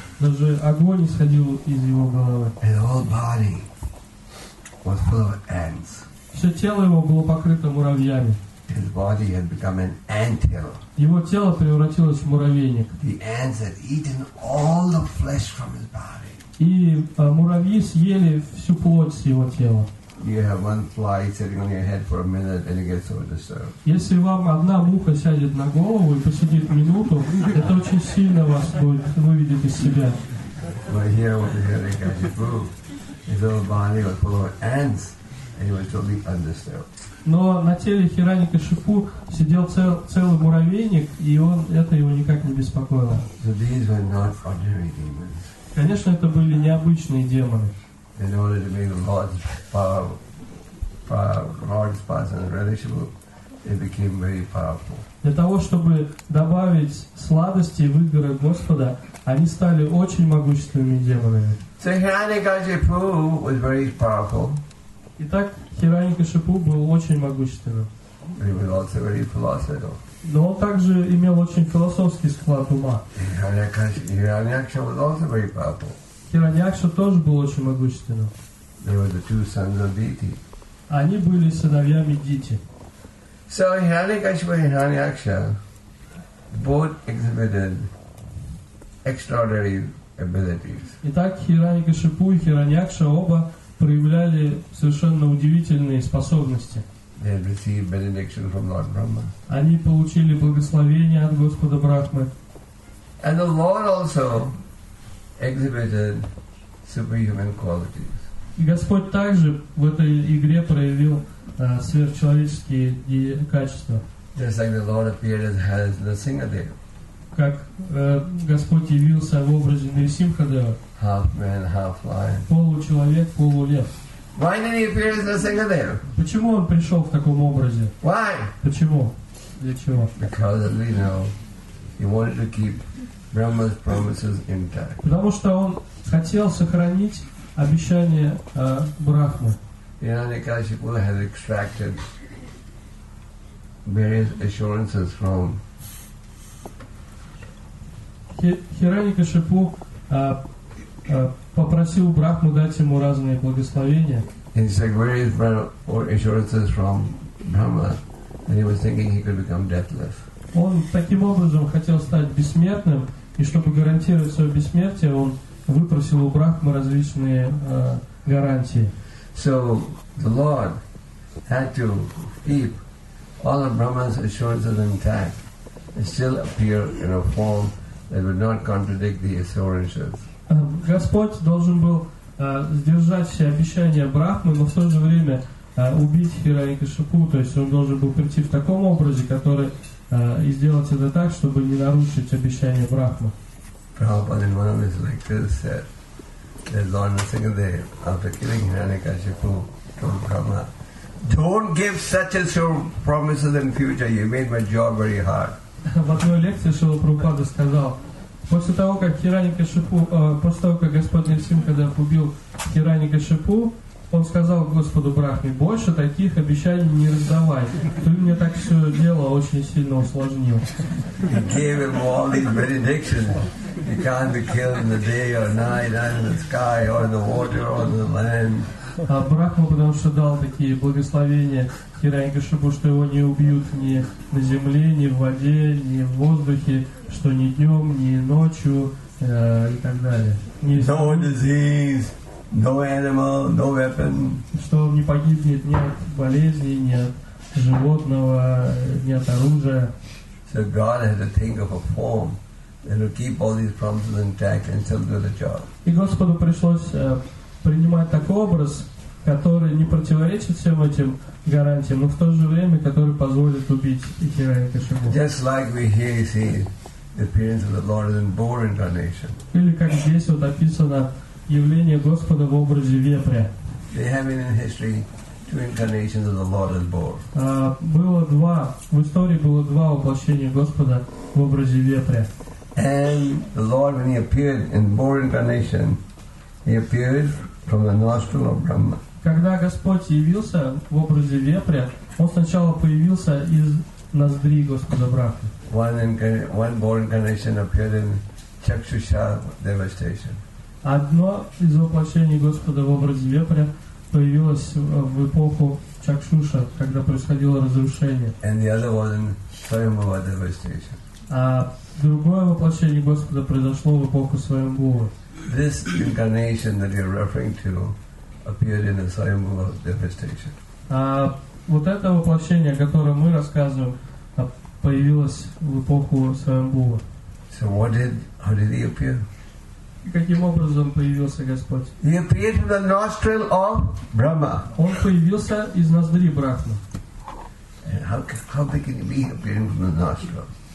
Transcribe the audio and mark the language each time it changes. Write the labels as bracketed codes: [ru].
[ru] Даже огонь исходил из его головы. [en] His whole body was full of ants. [ru] Все тело его было покрыто муравьями. [en] His body had become an anthill. [ru] Его тело превратилось в муравейник. [en] The ants had eaten all the flesh from his body. [ru] И муравьи съели всю плоть с его тела. [en] You have one fly sitting on your head for a minute, and it gets so disturbed. [ru] Если вам одна муха сядет на голову и посидит минуту, это очень сильно вас будет выведет из себя. [en] But here, what the hell did he do? His whole body was full of ants, and he was totally undisturbed. [ru] Но на теле Хирани Кашипу сидел целый муравейник, и это его никак не беспокоило. [en] So these were not ordinary demons. [ru] Конечно, это были необычные демоны. [en] In order to make Lord's person relishable, it became very powerful. [ru] Для того чтобы добавить сладости в игры Господа, они стали очень могущественными демонами. [en] So Hirani Kashipu was very powerful. [ru] Итак, Хирани Кашипу был очень могущественным. [en] He was also very philosophical. [ru] Но он также имел очень философский склад ума. [en] Hiranyaksha was also very powerful. [ru] Хираньякша тоже был очень могущественным. [en] They were the two sons of Diti. [ru] Они были сыновьями Дити. [en] So Hiranyakashipu and Hiranyaksha both exhibited extraordinary abilities. [ru] Итак, Хиранякшипу и Хиранякша оба проявляли совершенно удивительные способности. [en] They had received benediction from Lord Brahma. [ru] Они получили благословение от Господа Брахмы. [en] And the Lord also exhibited superhuman qualities. [ru] И Господь также в этой игре проявил сверхчеловеческие качества. [en] Just like the Lord appeared as Nrisimhadeva. [ru] Как Господь явился в образе Нрисимхадева. [en] Half man, half lion. [ru] Получеловек, полулев. [en] Why did he appear as Nrisimhadeva? [ru] Почему он пришел в таком образе? [en] Why? [ru] Почему? Для чего? [en] Because, as we know, he wanted to keep Brahma's promises intact. [ru] Потому что он хотел сохранить обещание Брахмы. [en] Hiranyakashipu had extracted various assurances from. [ru] Hiranyakashipu попросил Брахму дать ему разные благословения. [en] He said various assurances from Brahma, and he was thinking he could become deathless. [ru] Он таким образом хотел стать бессмертным. И чтобы гарантировать свое бессмертие, он выпросил у Брахмы различные гарантии. [en] So the Lord had to keep all of Brahma's assurances intact and still appear in a form that would not contradict the assurances. [ru] Господь должен был сдержать все обещания Брахмы, но в то же время убить Хиранякшипу, то есть он должен был прийти в таком образе, который и сделать это так, чтобы не нарушить обещание Брахмы. [en] Prabhupada in one of his lectures said that Lord Nrisimhadeva, after killing Hiranyakashipu, told Brahma, don't give such and so promises in future, you made my job very hard. [ru] В одной лекции Шрила Прабхупада сказал, после того, как Хиранякашипу, после того, как Господь Нрисимхадев убил Хиранякашипу, он сказал Господу Брахме, больше таких обещаний не раздавай. Ты мне так все дело очень сильно усложнил. [en] He gave him all these benedictions. He can't be killed in the day or night, or in the sky, or in the water, or in the land. [ru] А Брахма потому что дал такие благословения Хиранякшипу, что его не убьют ни на земле, ни в воде, ни в воздухе, что ни днем, ни ночью, и так далее. [en] No disease, no animal, no weapon. [ru] Что он не погибнет ни от болезни, ни от животного, ни от оружия. [en] So God had to think of a form that would keep all these promises intact and still do the job. [ru] И Господу пришлось принимать такой образ, который не противоречит всем этим гарантиям, но в то же время, который позволит убить Хирая Кашипу. [en] Just like we hear, you see, the appearance of the Lord is in boar incarnation. [ru] Или как здесь вот описано явление Господа в образе вепря. [en] They have been in history. Two incarnations of the Lord as boar. [ru] Было два в истории было два воплощения Господа в образе ветра. [en] And the Lord, when he appeared in boar incarnation, he appeared from the nostril of Brahma. [ru] Когда Господь явился в образе ветра, он сначала появился из ноздри Господа Брахмы. [en] One boar incarnation appeared in Chakshusha devastation. [ru] Одно из воплощений Господа в образе ветра появилась в эпоху Чакшуша, когда происходило разрушение. [en] And the other was in Swayambhuva devastation. [ru] А другое воплощение Господа произошло в эпоху Свайамбхува. [en] This incarnation that you're referring to appeared in the Swayambhuva devastation. [ru] А вот это воплощение, о котором мы рассказываем, появилось в эпоху Свайамбхува. [en] So how did he appear? [ru] И каким образом появился Господь? [en] He appeared in the nostril of Brahma. [ru] Он появился из ноздри Брахмы. [en] And how big can he be appearing from the nostril?